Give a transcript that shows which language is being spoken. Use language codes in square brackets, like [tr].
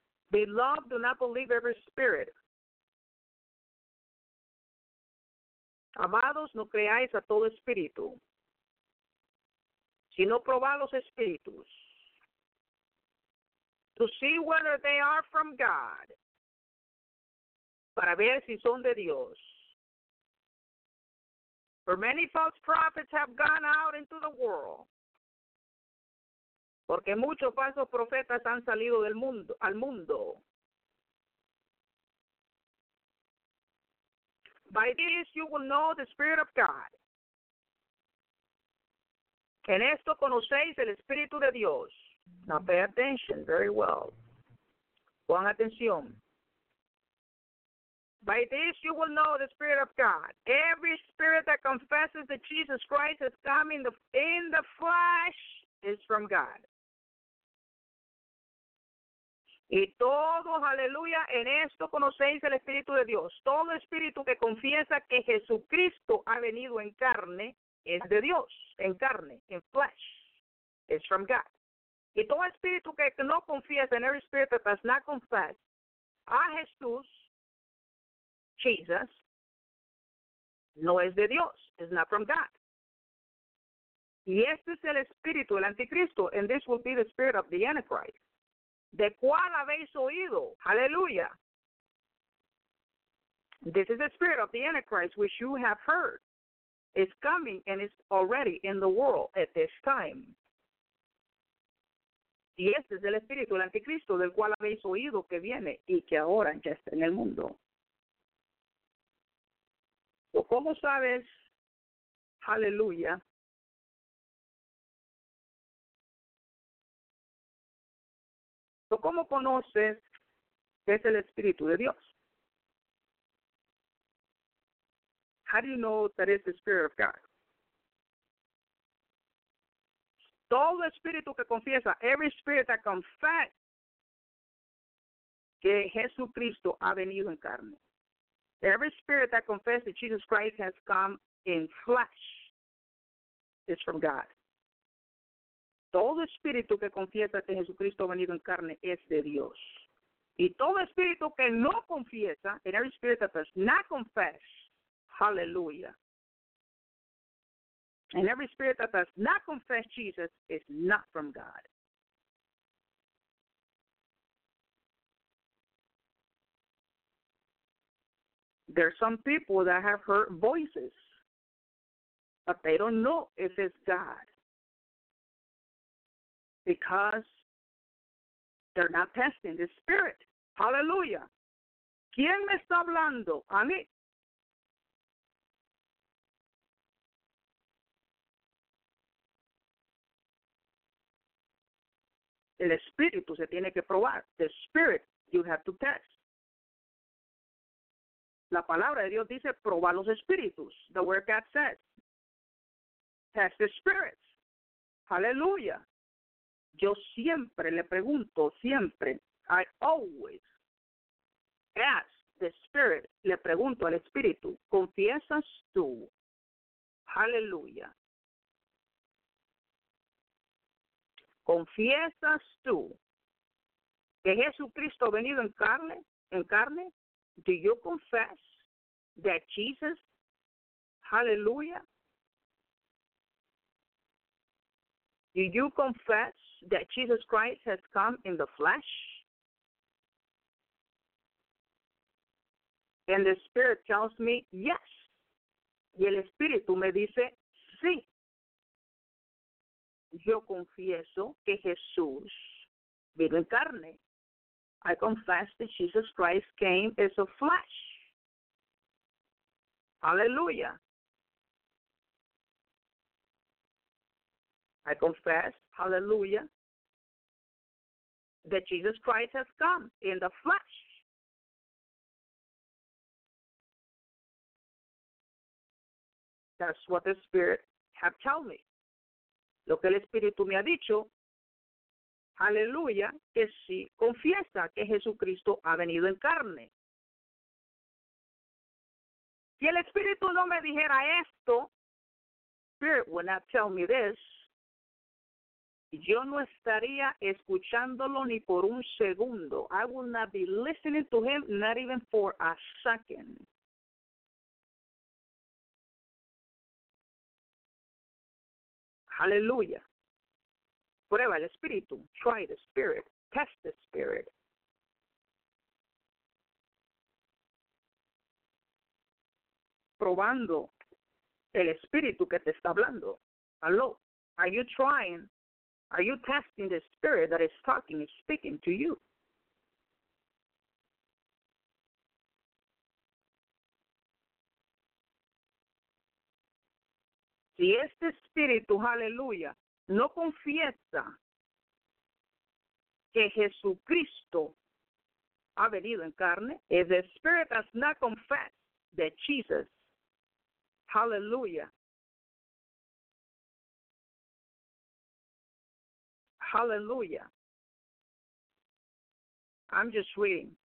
[en] Beloved, do not believe every spirit. [es] Amados, no creáis a todo espíritu, sino probad los espíritus. [en] To see whether they are from God. [es] Para ver si son de Dios. [en] For many false prophets have gone out into the world. [es] Porque muchos falsos profetas han salido del mundo, al mundo. [en] By this you will know the Spirit of God. [es] En esto conocéis el Espíritu de Dios. [en] Now pay attention very well. [es] Pon atención. [en] By this you will know the Spirit of God. Every spirit that confesses that Jesus Christ has come in the flesh is from God. [es] Y todos, aleluya, en esto conocéis el Espíritu de Dios. Todo espíritu que confiesa que Jesucristo ha venido en carne es de Dios, en carne, en flesh, [en] is from God. [es] Y todo espíritu que no confiesa, [en] and every spirit that does not confess, [es] a Jesus, no es de Dios, [en] is not from God. [es] Y este es el espíritu, el anticristo, [en] and this will be the spirit of the Antichrist. [es] ¿De cuál habéis oído? Hallelujah. [en] This is the spirit of the Antichrist, which you have heard. It's coming and it's already in the world at this time. [es] Y este es el espíritu, el anticristo, del cual habéis oído que viene y que ahora ya está en el mundo. So, ¿cómo sabes? Hallelujah. ¿Cómo conoces que es el Espíritu de Dios? [en] How do you know that it's the Spirit of God? [es] Todo espíritu que confiesa, [en] every spirit that confesses [es] que Jesucristo ha venido en carne. [en] Every spirit that confesses that Jesus Christ has come in flesh is from God. [es] Todo espíritu que confiesa que Jesucristo ha venido en carne es de Dios. Y todo espíritu que no confiesa, [en] and every spirit that does not confess, [es] hallelujah. [en] And every spirit that does not confess Jesus is not from God. There are some people that have heard voices, but they don't know if it's God. Because they're not testing the spirit. [es] Hallelujah. ¿Quién me está hablando? A mí. El espíritu se tiene que probar. [en] The spirit you have to test. [es] La palabra de Dios dice, proba los espíritus. [en] The word God says. Test the spirits. [es] Hallelujah. Yo siempre le pregunto, siempre, [en] I always ask the Spirit, [es] le pregunto al Espíritu, ¿confiesas tú? Hallelujah. ¿Confiesas tú que Jesucristo ha venido en carne? [en] Do you confess that Jesus, hallelujah, do you confess that Jesus Christ has come in the flesh? And the Spirit tells me, yes. [es] Y el Espíritu me dice, sí. Yo confieso que Jesús vino en carne. [en] I confess that Jesus Christ came as a flesh. [es] Aleluya. [en] I confess, hallelujah, that Jesus Christ has come in the flesh. That's what the Spirit have told me. [es] Lo que el Espíritu me ha dicho, hallelujah, que sí confiesa que Jesucristo ha venido en carne. Si el Espíritu no me dijera esto, [en] Spirit would not tell me this, [es] yo no estaría escuchándolo ni por un segundo. [en] I would not be listening to him, not even for a second. Hallelujah. [es] Prueba el Espíritu. [en] Try the Spirit. Test the Spirit. [es] Probando el Espíritu que te está hablando. [en] Hello. Are you trying? Are you testing the Spirit that is talking, is speaking to you? [es] Si este Espíritu, aleluya, no confiesa que Jesucristo ha venido en carne, [en] if the Spirit does not confess that Jesus, hallelujah, hallelujah. I'm just reading.